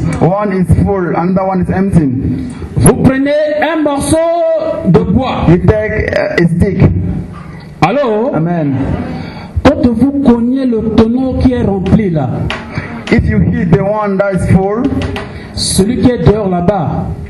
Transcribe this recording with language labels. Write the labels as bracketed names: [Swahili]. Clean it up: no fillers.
[English] One is full, another one is empty. [French] Vous prenez un morceau de bois. [English] You take a stick. [French] Allô. Amen. Quand vous cognez le tonneau qui est rempli là. [English] If you hit the one that is full. [French] Celui qui est dehors là-bas.